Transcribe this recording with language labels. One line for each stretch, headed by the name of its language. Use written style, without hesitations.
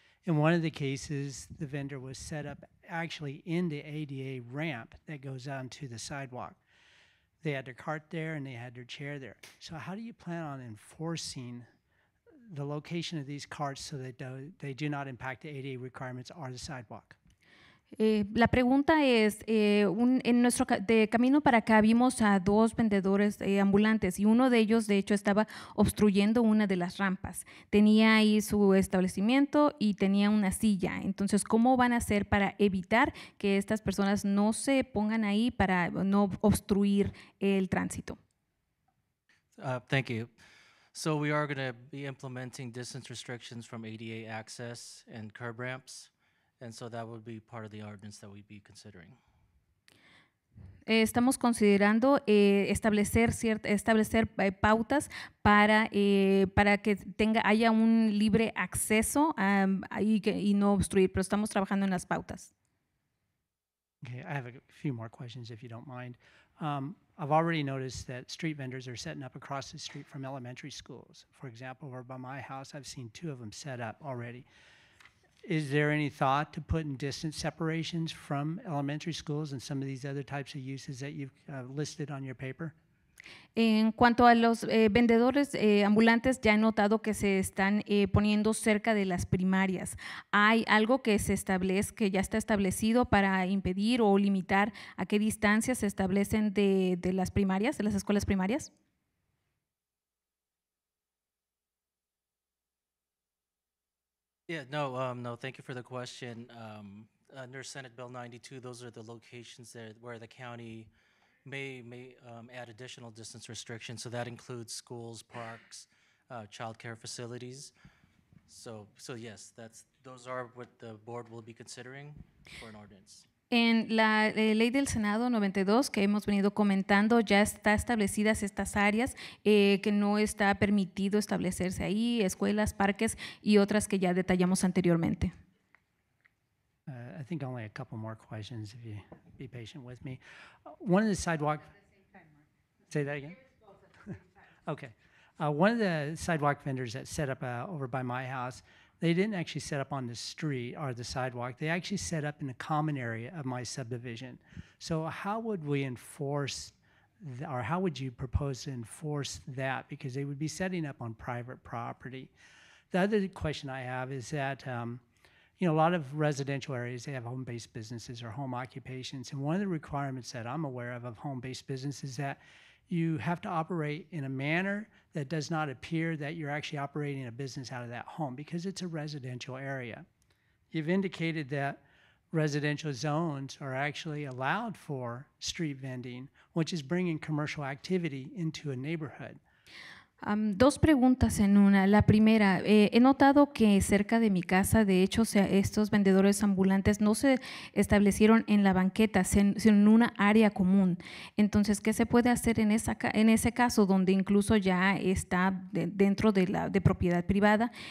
English: In one of the cases, the vendor was set up actually in the ADA ramp that goes onto the sidewalk. They had their cart there and they had their chair there. So how do you plan on enforcing the location of these carts so that they do not impact the ADA requirements or the sidewalk?
Spanish: La pregunta es, en nuestro de camino para acá vimos a dos vendedores ambulantes y uno de ellos de hecho estaba obstruyendo una de las rampas. Tenía ahí su establecimiento y tenía una silla. Entonces, ¿cómo van a hacer para evitar que estas personas no se pongan ahí para no obstruir el tránsito?
English: Thank you. So we are going to be implementing distance restrictions from ADA access and curb ramps. And so that would be part of the ordinance that we'd be considering.
Spanish: Estamos considerando establecer pautas para que haya un libre acceso y no obstruir, pero estamos trabajando en las pautas.
English: Okay, I have a few more questions if you don't mind. I've already noticed that street vendors are setting up across the street from elementary schools. For example, over by my house, I've seen two of them set up already. Is there any thought to putting distance separations from elementary schools and some of these other types of uses that you've listed on your paper?
Spanish: En cuanto a los vendedores ambulantes, ya he notado que se están poniendo cerca de las primarias. ¿Hay algo que se establece, que ya está establecido para impedir o limitar a qué distancia se establecen de las primarias, de las escuelas primarias?
English: Yeah, no, no. Thank you for the question. Under Senate Bill 92, those are the locations that where the county may add additional distance restrictions. So that includes schools, parks, childcare facilities. So yes, those are what the board will be considering for an ordinance.
Spanish: En la ley del Senado 92 que hemos venido comentando, ya está establecidas estas áreas que no está permitido establecerse ahí, escuelas, parques y otras que ya detallamos anteriormente.
English: I think only a couple more questions if you be patient with me. One of the sidewalk, say that again? Okay. One of the sidewalk vendors that set up over by my house, they didn't actually set up on the street or the sidewalk. They actually set up in a common area of my subdivision. So how would we enforce, or how would you propose to enforce that? Because they would be setting up on private property. The other question I have is that, a lot of residential areas, they have home-based businesses or home occupations. And one of the requirements that I'm aware of home-based businesses is that you have to operate in a manner that does not appear that you're actually operating a business out of that home because it's a residential area. You've indicated that residential zones are actually allowed for street vending, which is bringing commercial activity into a neighborhood.
Spanish: Dos preguntas en una. La primera, he notado que cerca de mi casa, de hecho, estos vendedores ambulantes no se establecieron en la banqueta, sino en una área común. Entonces, ¿qué se puede hacer en ese caso donde incluso ya está dentro de propiedad privada?